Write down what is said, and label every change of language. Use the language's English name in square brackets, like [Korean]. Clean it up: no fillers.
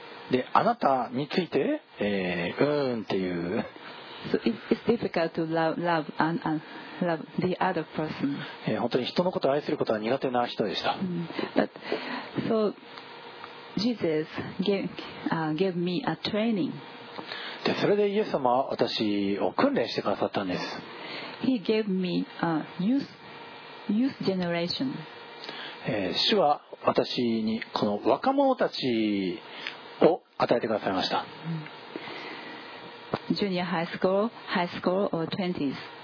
[Japanese] で、あなたについて、うーんっていう。 [English] So、it's difficult to love and love the other person. [Japanese] 本当に人のことを愛することは苦手な人でした。 [English] But, so Jesus gave me a training. [Japanese] で、それでイエス様は私を訓練してくださったんです。 [English] He gave me a youth generation. [Japanese] 主は私にこの若者たちを与えてくださいました。 [English] Junior high school, high school or twenties.